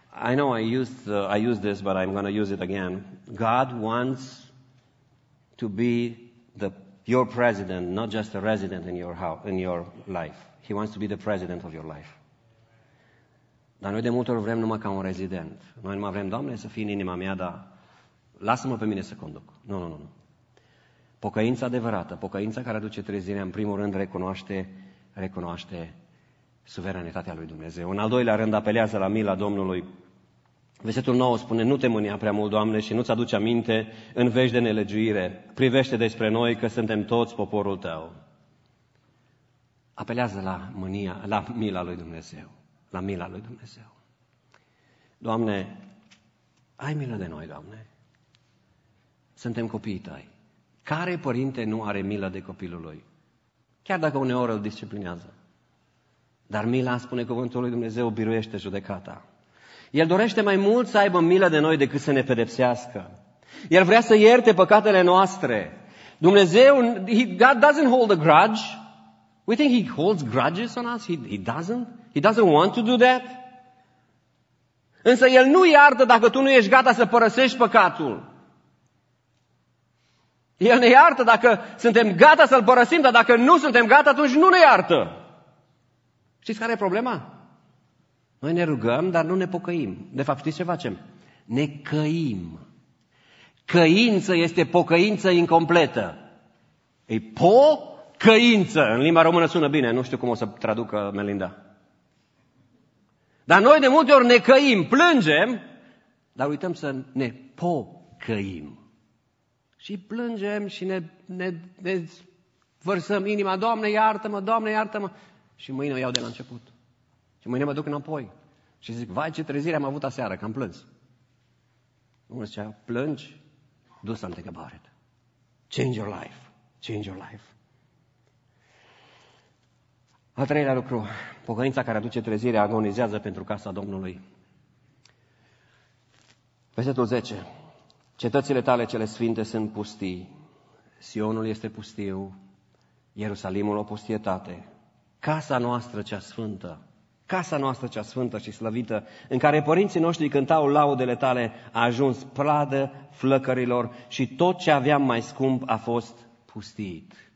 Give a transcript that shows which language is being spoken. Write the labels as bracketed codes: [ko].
[en] I know I used this, but I'm going to use it again. God wants to be your president, not just a resident in your house, in your life. He wants to be the president of your life. [ro] Dar noi de multe ori vrem numai ca un rezident. Noi numai vrem, Doamne, să fii în inima mea, dar lasă-mă pe mine să conduc. Nu. Pocăința adevărată, pocăința care aduce trezirea, în primul rând recunoaște suveranitatea lui Dumnezeu. În al doilea rând apelează la mila Domnului. Versetul 9 spune, nu te mânia prea mult, Doamne, și nu-ți aduce aminte în veci de nelegiuire. Privește despre noi că suntem toți poporul tău. Apelează la mânia, la mila lui Dumnezeu. La mila lui Dumnezeu. Doamne, ai milă de noi, Doamne. Suntem copiii tăi. Care părinte nu are milă de copilul lui? Chiar dacă uneori îl disciplinează. Dar mila, spune cuvântul lui Dumnezeu, biruiește judecata. El dorește mai mult să aibă milă de noi decât să ne pedepsească. El vrea să ierte păcatele noastre. Dumnezeu, [en] God doesn't hold a grudge. We think He holds grudges on us. He doesn't. He doesn't want to do that. [ro] Însă El nu iartă dacă tu nu ești gata să părăsești păcatul. El ne iartă dacă suntem gata să-L părăsim, dar dacă nu suntem gata, atunci nu ne iartă. Știți care e problema? Noi ne rugăm, dar nu ne pocăim. De fapt, știți ce facem? Ne căim. Căință este pocăință incompletă. E pocăință. În limba română sună bine, nu știu cum o să traducă Melinda. Dar noi de multe ori ne căim, plângem, dar uităm să ne pocăim. Și plângem și ne vărsăm inima, Doamne, iartă-mă, Doamne, iartă-mă. Și mâine o iau de la început. Și mâine mă duc înapoi. Și zic, vai ce trezire am avut aseară, că am plâns. Domnul zicea, plângi, [en] do something about it. Change your life, change your life. [ro] Al treilea lucru, pocăința care aduce trezire agonizează pentru casa Domnului. Versetul 10. Cetățile tale cele sfinte sunt pustii, Sionul este pustiu, Ierusalimul o pustietate, casa noastră cea sfântă, casa noastră cea sfântă și slăvită, în care părinții noștri cântau laudele tale, a ajuns pradă flăcărilor și tot ce aveam mai scump a fost pustiit.